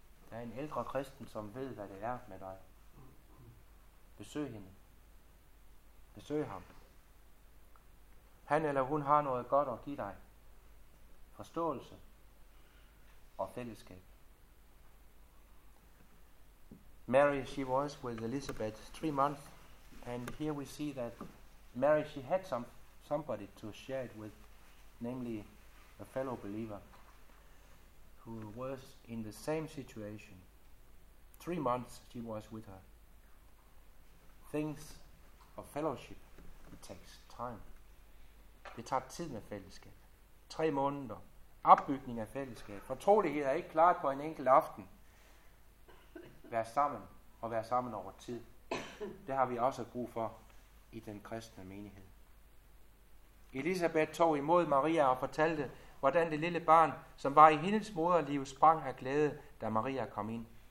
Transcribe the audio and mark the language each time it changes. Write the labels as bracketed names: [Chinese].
[Danish] Der er en ældre kristen, som ved, hvad det er med dig. Besøg hende. Besøg ham. Han eller hun har noget godt at give dig. Forståelse og fællesskab. [English] Mary, she was with Elizabeth 3 months, and here we see that Mary, she had somebody to share it with, namely a fellow believer who was in the same situation. 3 months she was with her. Things of fellowship, it takes time. [Danish] Det tager tid med fællesskab. 3 måneder. Opbygning af fællesskab. Fortrolighed er ikke klart på en enkelt aften. Vær sammen og vær sammen over tid. Det har vi også brug for i den kristne menighed. Elisabeth tog imod Maria og fortalte, hvordan det lille barn, som var i hendes moderliv, sprang af glæde, da Maria kom ind.